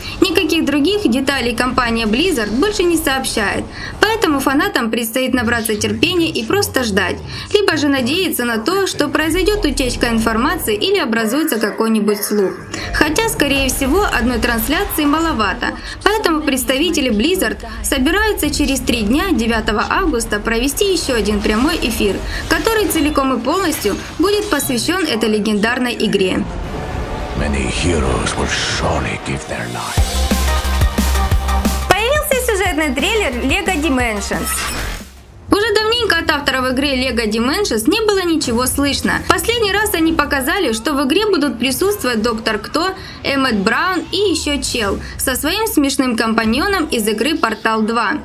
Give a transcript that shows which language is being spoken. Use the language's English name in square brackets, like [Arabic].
[Russian] Никаких других деталей компания Blizzard больше не сообщает, поэтому фанатам предстоит набраться терпения и просто ждать, либо же надеяться на то, что произойдет утечка информации или образуется какой-нибудь слух. Хотя, скорее всего, одной трансляции маловато, поэтому представители Blizzard собираются через 3 дня, 9 августа, провести еще один прямой эфир, который целиком и полностью будет посвящен этой легендарной игре. [English] Many heroes will surely give their lives. [Russian] Появился сюжетный трейлер LEGO Dimensions. Уже давненько от авторов игры LEGO Dimensions не было ничего слышно. Последний раз они показали, что в игре будут присутствовать Доктор Кто, Эммет Браун и еще Чел со своим смешным компаньоном из игры Portal 2.